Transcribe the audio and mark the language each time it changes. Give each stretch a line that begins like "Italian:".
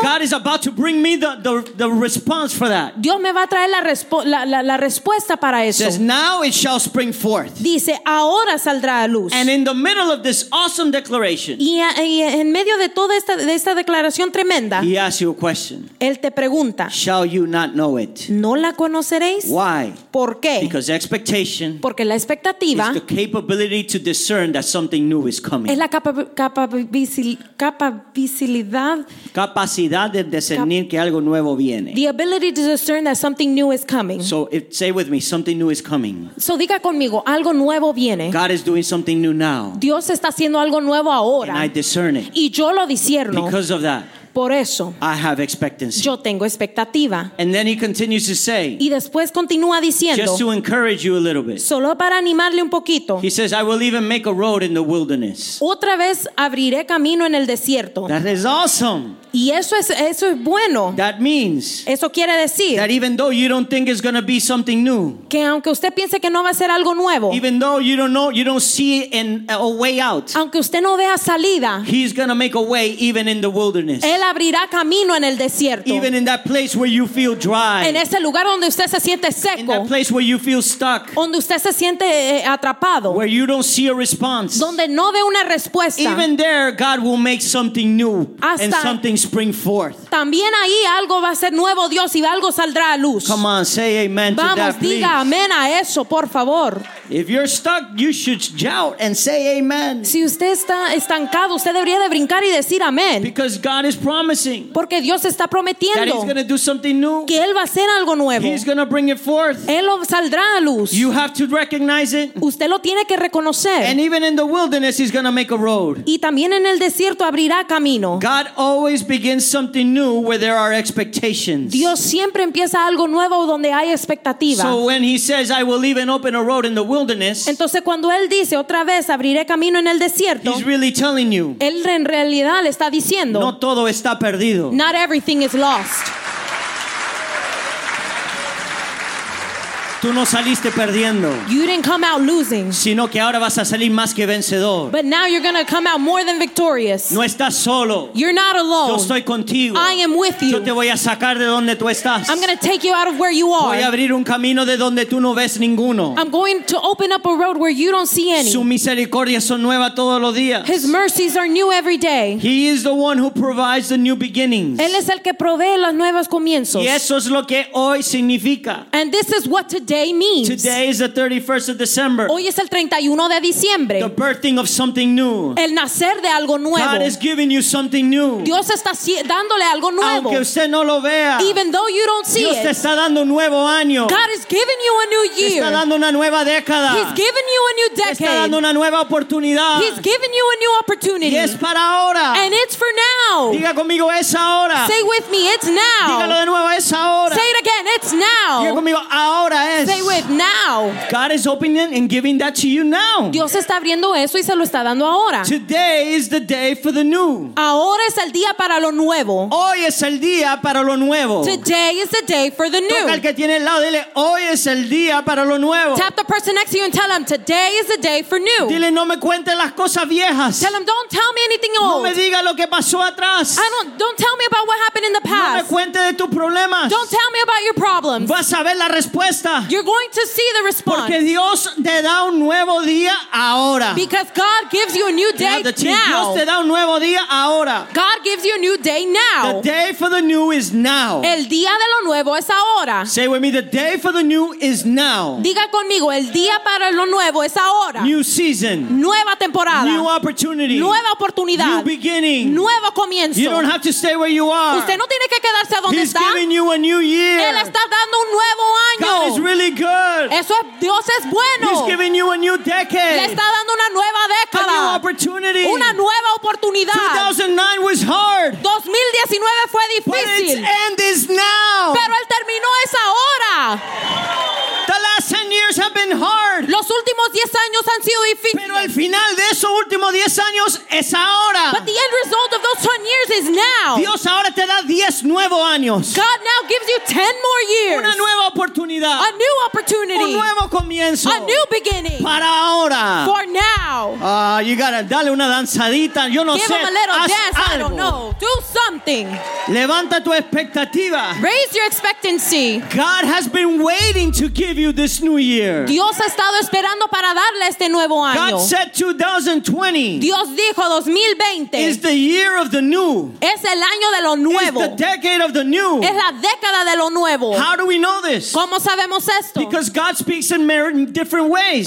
English: God is about to bring me the response. For that.
Spanish: Dios me va a traer la respuesta para eso.
English: Says, now it shall spring forth.
Spanish: Dice, ahora saldrá a luz.
English: And in the middle of this awesome declaration.
Spanish: Y en medio de toda esta declaración tremenda.
English: He asks you a question.
Spanish: Él te pregunta.
English: Shall you not know it?
Spanish: ¿No la conoceréis?
English: Why?
Spanish: ¿Por qué?
English: Because expectation.
Spanish: Porque la expectativa.
English: Is the capability to discern that something new is coming.
Spanish: Es la capacidad de discernir que algo nuevo viene.
English: Ability to discern that something new is coming. So say with me, something new is coming.
Spanish: So diga conmigo, algo nuevo viene.
English: God is doing something new now.
Spanish: Dios está haciendo algo nuevo ahora.
English: And I discern it.
Spanish: Y yo lo discierno.
English: Because of that.
Spanish: por eso
English: I have expectancy.
Spanish: Yo tengo expectativa.
English: And then he continues to say,
Spanish: y después continúa diciendo,
English: just to encourage you a little bit,
Spanish: solo para animarle un poquito,
English: he says, I will even make a road in the wilderness.
Spanish: Otra vez abriré camino en el desierto.
English: That is awesome.
Spanish: Y eso es bueno.
English: That means,
Spanish: eso quiere decir,
English: that even though you don't think it's going to be something new,
Spanish: que aunque usted piense que no va a ser algo nuevo,
English: even though you don't know, you don't see in a way out,
Spanish: aunque usted no vea salida,
English: he's going to make a way even in the wilderness.
Spanish: Él abrirá camino en el desierto.
English: Even in that place where you feel dry,
Spanish: en ese lugar donde usted se siente seco,
English: in that place where you feel stuck,
Spanish: donde usted se siente atrapado,
English: where you don't see a response,
Spanish: donde no ve una respuesta,
English: even there God will make something new and something spring forth.
Spanish: También ahí algo va a ser nuevo Dios y algo saldrá a luz.
English: Come on, say amen to
Spanish: Vamos,
English: that, please.
Spanish: Diga amén a eso, por favor.
English: If you're stuck, you should shout and say amen.
Spanish: Si usted está estancado, usted debería de brincar y decir amén.
English: Because God is promising.
Spanish: Porque Dios está prometiendo.
English: That he's going to do something new.
Spanish: Que él va a hacer algo nuevo.
English: He's going to bring it forth.
Spanish: Él lo saldrá a luz.
English: You have to recognize it.
Spanish: Usted lo tiene que reconocer.
English: And even in the wilderness, he's going to make a road.
Spanish: Y también en el desierto abrirá camino.
English: God always begins something new where there are expectations.
Spanish: Dios siempre empieza algo nuevo donde hay expectativa.
English: So when he says, I will even open a road in the wilderness,
Spanish: entonces cuando él dice otra vez abriré camino en el desierto,
English: he's really telling you,
Spanish: él en realidad le está diciendo, no todo está perdido.
English: Not everything is lost.
Spanish: Tú no saliste perdiendo,
English: you didn't come out losing,
Spanish: sino que ahora vas a salir más que vencedor.
English: But now you're going to come out more than victorious.
Spanish: No estás solo.
English: You're not alone.
Spanish: Yo estoy contigo.
English: I am with you.
Spanish: Yo te voy a sacar de donde tú estás.
English: I'm going to take you out of where you are.
Spanish: Voy a abrir un camino de donde tú no ves ninguno.
English: I'm going to open up a road where you don't see any.
Spanish: Su misericordia son nueva todos los días.
English: His mercies are new every day. He is the one who provides the new beginnings.
Spanish: Él es el que provee los nuevos comienzos. Y eso es lo que hoy significa.
English: And this is what today means. Today is the 31st of December.
Spanish: Hoy es el 31 de diciembre.
English: The birthing of something new.
Spanish: El nacer de algo nuevo.
English: God is giving you something new.
Spanish: Dios está dándole algo nuevo. Aunque usted no lo vea.
English: Even though you don't see
Spanish: Dios
English: it.
Spanish: Te está dando un nuevo año.
English: God is giving you a new year.
Spanish: Te está dando una nueva década.
English: He's giving you a new decade.
Spanish: Te está dando una nueva oportunidad.
English: He's giving you a new opportunity.
Spanish: Y es para ahora.
English: And it's for now.
Spanish: Diga conmigo, es ahora.
English: Say with me, it's now.
Spanish: Dígalo de nuevo, es ahora.
English: Say it again, it's now.
Spanish: Diga conmigo, ahora es.
English: Say with now. God is opening and giving that to you now.
Spanish: Dios está abriendo eso y se lo está dando ahora.
English: Today is the day for the new.
Spanish: Ahora es el día para lo nuevo. Hoy es el día para lo nuevo.
English: Today is the day for the new.
Spanish: Toca al que tiene al lado, dile, hoy es el día para lo nuevo.
English: Tap the person next to you and tell them, today is the day for new.
Spanish: Dile, no me cuente las cosas viejas.
English: Tell them, don't tell me anything old.
Spanish: No me diga lo que pasó atrás.
English: Don't tell me about what happened in the past.
Spanish: No me cuente de tus problemas.
English: Don't tell me about your problems.
Spanish: Vas a ver la respuesta.
English: You're going to see the response.
Spanish: Porque Dios te da un nuevo día ahora.
English: Because God gives you a new day now.
Spanish: Dios te da un nuevo día ahora.
English: God gives you a new day now. The day for the new is now.
Spanish: El día de lo nuevo es ahora.
English: Say with me, the day for the new is now.
Spanish: Diga conmigo, el día para lo nuevo es ahora.
English: New season.
Spanish: Nueva temporada.
English: New opportunity.
Spanish: Nueva oportunidad.
English: New beginning.
Spanish: Nuevo comienzo.
English: You don't have to stay where you are.
Spanish: Usted no tiene que quedarse donde
English: He's
Spanish: está.
English: He's giving you a new year.
Spanish: Él está dando un nuevo año.
English: God is really good.
Spanish: Eso es, Dios es bueno.
English: He's giving you a new decade.
Spanish: Le está dando una nueva década.
English: A new opportunity.
Spanish: Una nueva oportunidad.
English: 2009 was hard.
Spanish: 2019 fue difícil.
English: But its end is now.
Spanish: Pero el terminó es ahora.
English: The last 10 years have been hard.
Spanish: Los últimos 10 años han sido difíciles. Pero el final de esos últimos 10 años es ahora.
English: But the end result of those 10 years is now.
Spanish: Dios ahora te da 10 nuevos años.
English: God now gives you 10 more years.
Spanish: Una nueva oportunidad.
English: A new opportunity.
Spanish: Un nuevo comienzo.
English: A new beginning.
Spanish: Para ahora.
English: For now. You gotta
Spanish: dale una danzadita. Yo no
English: Give
Spanish: sé.
English: Give him a little
Spanish: Haz
English: dance.
Spanish: Algo.
English: I don't know. Do something.
Spanish: Levanta tu expectativa.
English: Raise your expectancy. God has been waiting to give you this new year.
Spanish: Dios ha estado esperando para darle este nuevo año.
English: God said 2020.
Spanish: Dios dijo 2020.
English: Is the year of the new.
Spanish: Es el año de lo nuevo.
English: Is the decade of the new.
Spanish: Es la década de lo nuevo.
English: How do we know this?
Spanish: ¿Cómo sabemos esto?
English: Because God speaks in different ways.